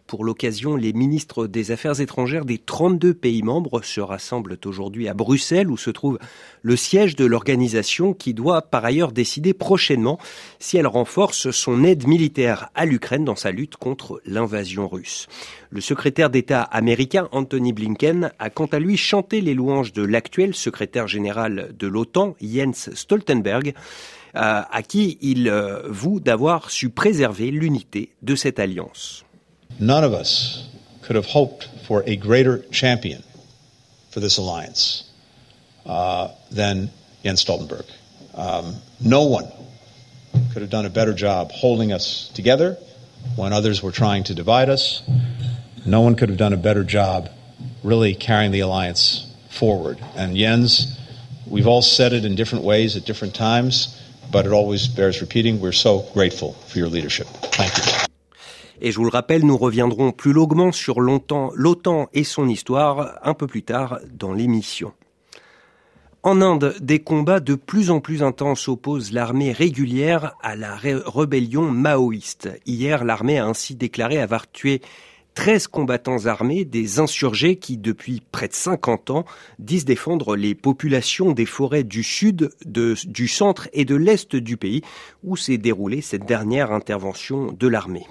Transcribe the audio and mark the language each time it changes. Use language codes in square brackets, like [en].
[fr] Pour l'occasion, les ministres des Affaires étrangères des 32 pays membres se rassemblent aujourd'hui à Bruxelles, où se trouve le siège de l'organisation qui doit par ailleurs décider prochainement si elle renforce son aide militaire à l'Ukraine dans sa lutte contre l'invasion russe. Le secrétaire d'État américain Anthony Blinken a quant à lui chanté les louanges de l'actuel secrétaire général de l'OTAN, Jens Stoltenberg, à qui il voue d'avoir su préserver l'unité de cette alliance. [en] None of us could have hoped for a greater champion for this alliance than Jens Stoltenberg. No one could have done a better job holding us together when others were trying to divide us. No one could have done a better job really carrying the alliance forward. And Jens, we've all said it in different ways at different times, but it always bears repeating, we're so grateful for your leadership. Thank you. [fr] Et je vous le rappelle, nous reviendrons plus longuement sur longtemps l'OTAN et son histoire un peu plus tard dans l'émission. En Inde, des combats de plus en plus intenses opposent l'armée régulière à la rébellion maoïste. Hier, l'armée a ainsi déclaré avoir tué 13 combattants armés, des insurgés qui, depuis près de 50 ans, disent défendre les populations des forêts du sud, du centre et de l'est du pays, où s'est déroulée cette dernière intervention de l'armée.